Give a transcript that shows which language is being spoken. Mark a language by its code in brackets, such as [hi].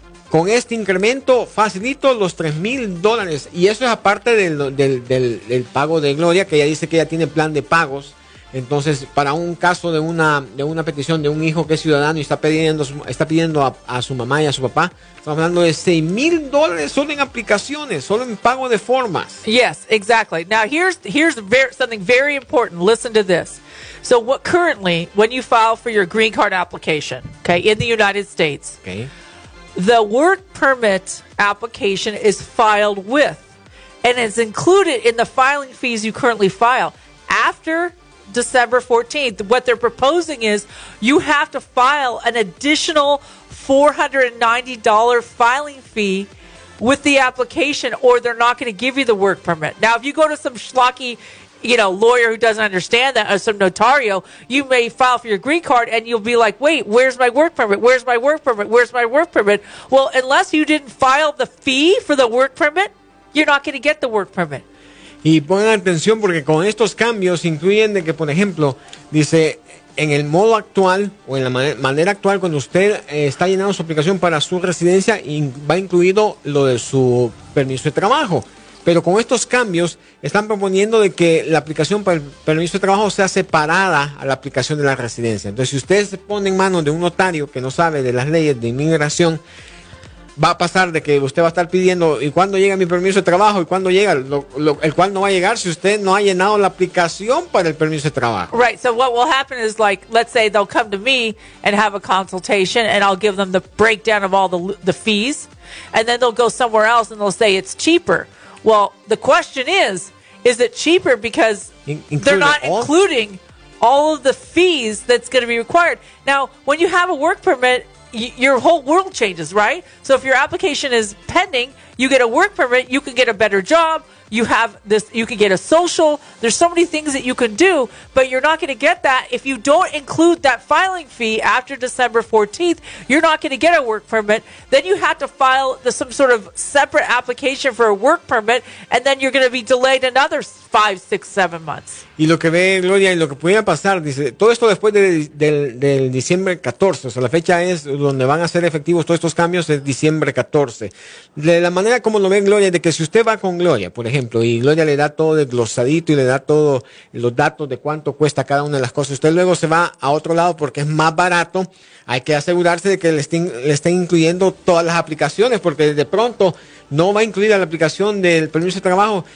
[es] Con este incremento facilito los $3,000, y eso es aparte del pago de Gloria, que ella dice que ella tiene plan de pagos. Entonces, para un caso de una petición de un hijo que es ciudadano y está pidiendo a su mamá y a su papá, estamos hablando de $6,000 solo en aplicaciones, solo en pago de formas. [en] Yes, exactly. Now, here's something very important. Listen to this. So, what currently, when you file for your green card application, okay, in the United States, okay, the work permit application is filed with and is included in the filing fees you currently file. After December 14th, what they're proposing is you have to file an additional $490 filing fee with the application, or they're not going to give you the work permit. Now, if you go to some schlocky, you know, lawyer who doesn't understand that, or some notario, you may file for your green card and you'll be like, wait, where's my work permit? Where's my work permit? Where's my work permit? Well, unless you didn't file the fee for the work permit, you're not going to get the work permit. [es] Y pongan atención porque con estos cambios incluyen de que, por ejemplo, dice, en el modo actual o en la manera actual, cuando usted está llenando su aplicación para su residencia, va incluido lo de su permiso de trabajo. Pero con estos cambios están proponiendo de que la aplicación para el permiso de trabajo sea separada a la aplicación de la residencia. Entonces, si usted se pone en manos de un notario que no sabe de las leyes de inmigración, va a pasar de que usted va a estar pidiendo y cuándo llega mi permiso de trabajo y cuándo llega, el cual no va a llegar si usted no ha llenado la aplicación para el permiso de trabajo. [en] Right, so what will happen is, like, let's say they'll come to me and have a consultation and I'll give them the breakdown of all the fees, and then they'll go somewhere else and they'll say it's cheaper. Well, the question is it cheaper because they're not including all of the fees that's going to be required. Now, when you have a work permit, your whole world changes, right? So if your application is pending, you get a work permit, you can get a better job, you have this, you can get a social, there's so many things that you can do, but you're not going to get that if you don't include that filing fee after December 14th. You're not going to get a work permit. Then you have to file some sort of separate application for a work permit, and then you're going to be delayed another 5, 6, 7 months. [es] Y lo que ve Gloria y lo que pudiera pasar, dice, todo esto después del diciembre 14, o sea, la fecha es donde van a ser efectivos todos estos cambios, es diciembre 14. De la manera manera como lo ven Gloria, de que si usted va con Gloria, por ejemplo, y Gloria le da todo desglosadito y le da todos los datos de cuánto cuesta cada una de las cosas, usted luego se va a otro lado porque es más barato, hay que asegurarse de que le estén incluyendo todas las aplicaciones, porque de pronto no va a incluir a la aplicación del permiso de trabajo.